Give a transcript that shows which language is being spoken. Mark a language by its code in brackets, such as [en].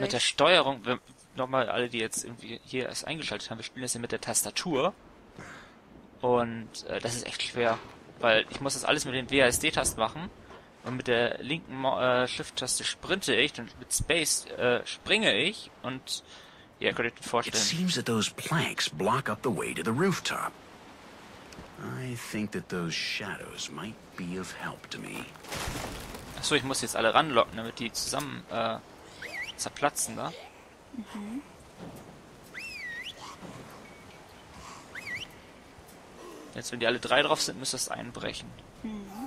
[de] Mit der Steuerung, nochmal alle, die jetzt irgendwie hier erst eingeschaltet haben, wir spielen das ja mit der Tastatur. Und das ist echt schwer, weil ich muss das alles mit den WASD-Tasten machen. Und mit der linken Shift-Taste sprinte ich, dann mit Space springe ich. Und ja, könnt ihr euch vorstellen. [en] It seems that those planks block up the way to the rooftop. I think that those shadows might be of help to me. [de] Achso, ich muss jetzt alle ranlocken, damit die zusammen... zerplatzen da. Mhm. Jetzt, wenn die alle drei drauf sind, müsste das einbrechen. Mhm.